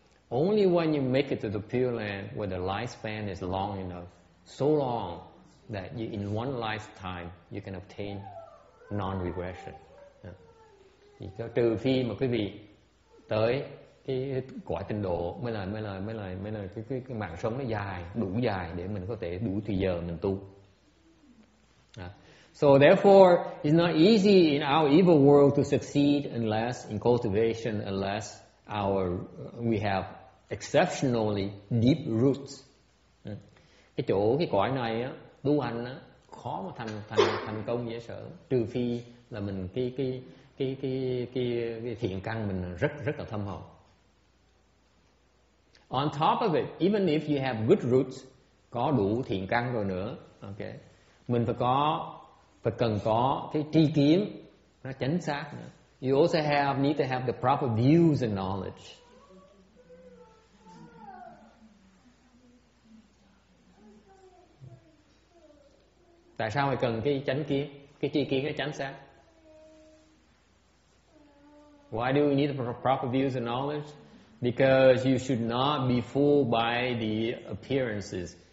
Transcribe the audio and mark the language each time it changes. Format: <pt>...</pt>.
<en>Only when you make it to the Pure Land where the lifespan is long enough, so long that you, in one lifetime you can obtain non-regression. Yeah.</en> <vi>Trừ phi mà quý vị tới cái quả tịnh độ mới là cái mạng sống nó dài, đủ dài để mình có thể đủ thời giờ mình tu.</vi> <en>So therefore, it's not easy in our evil world to succeed unless in cultivation, unless we have exceptionally deep roots.</en> <vi>Cái chỗ cái cõi này á, tu hành á khó mà thành công dễ sợ, trừ phi là mình cái thiện căn mình rất rất là thâm hậu.</vi> <en>On top of it, even if you have good roots,</en> <vi>có đủ thiện căn rồi nữa, okay, mình phải cần có cái tri kiến nó chính xác nữa.</vi> <en>You also need to have the proper views and knowledge.</en> <vi>Tại sao mày cần cái chánh kiến, cái tri kiến, cái chánh xác?</vi> <en>Why do we need the proper views and knowledge? Because you should not be fooled by the appearances.</en>